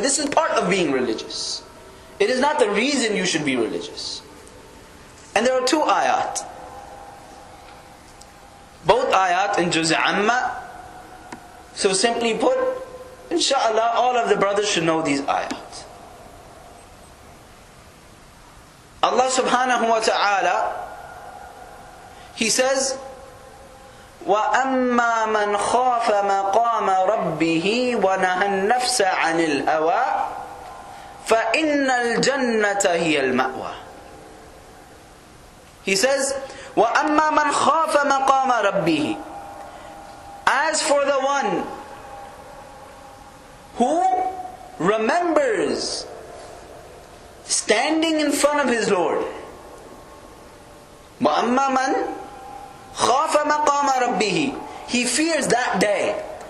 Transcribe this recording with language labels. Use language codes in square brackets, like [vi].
[en] This is part of being religious. It is not the reason you should be religious. And there are two ayat. both ayat in Juz Amma. So simply put, inshallah, all of the brothers should know these ayat. [ar] Allah subhanahu wa ta'ala, [en] He says, [ar] وَأَمَّا مَنْ خَافَ مَقَامَ رَبِّهِ وَنَهَى النَّفْسَ عَنِ الْهَوَىٰ فَإِنَّ الْجَنَّةَ هِيَ الْمَأْوَىٰ. [en] He says, [ar] وَأَمَّا مَنْ خَافَ مَقَامَ رَبِّهِ. [en] As for the one who remembers standing in front of his Lord. [ar] وَأَمَّا مَنْ خَافَ مَقَامَ رَبِّهِ. [en] He fears that day.